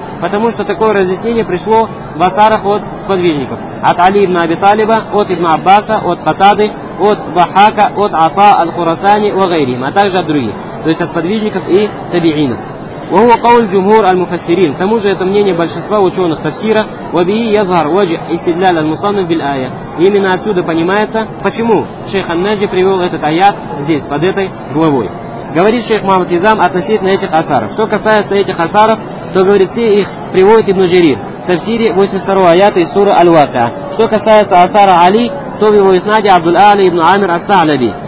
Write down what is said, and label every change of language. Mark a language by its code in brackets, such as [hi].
[ru] Потому что такое разъяснение пришло в асарах от сподвижников. От Али ибн Аби Талиба, от ибн Аббаса, от Хатады, от Бахака, от Ата аль-Хурасани, [ar] ва гайрим, [ru] а также от других. То есть от сподвижников и табиинов. [ar] وهو قول جمهور المفسرين. [ru] К тому же это мнение большинства ученых тафсира. [ar] وبيه يظهر وجه استدلال المصنف بالآية. [ru] Именно отсюда понимается, почему шейх ан-Наджи привел этот аят здесь, под этой главой. Говорит шейх Мамад Хизам относительно этих асаров. Что касается этих асаров, то говорит, все их приводит Ибн Джарир в тафсире 82 аята из суры Аль-Вакиа. Что касается асара Али, то в его иснаде Абдул-Аля ибн Амир Ас-Са'лаби.